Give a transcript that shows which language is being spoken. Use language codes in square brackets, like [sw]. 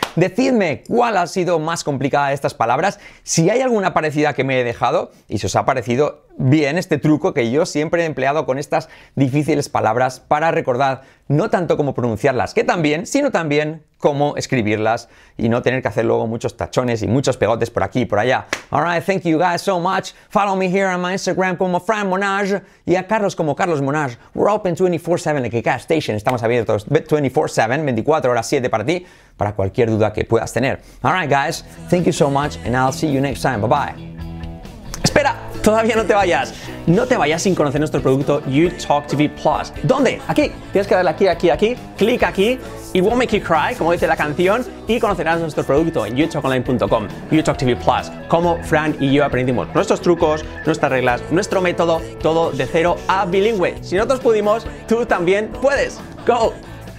[es] Decidme cuál ha sido más complicada de estas palabras. Si hay alguna parecida que me he dejado y si os ha parecido bien este truco que yo siempre he empleado con estas difíciles palabras para recordar no tanto cómo pronunciarlas, que también, sino también cómo escribirlas y no tener que hacer luego muchos tachones y muchos pegotes por aquí y por allá. [en] All right, thank you guys so much. Follow me here on my Instagram como Fran Monage [es] y a Carlos como [en] Carlos Monage. We're open 24/7 like a gas station. [es] Estamos abiertos 24/7, 24 horas 7 para ti, para cualquier duda que puedas tener. [en] All right, guys, thank you so much and I'll see you next time. Bye-bye. [es] ¡Espera! Todavía no te vayas. No te vayas sin conocer nuestro producto YouTalkTV Plus. ¿Dónde? Aquí. Tienes que darle aquí. Clic aquí. [en] It won't make you cry, [es] como dice la canción. Y conocerás nuestro producto en youtalkonline.com. YouTalkTV Plus. Cómo Fran y yo aprendimos nuestros trucos, nuestras reglas, nuestro método. Todo de cero a bilingüe. Si nosotros pudimos, tú también puedes. [en] ¡Go!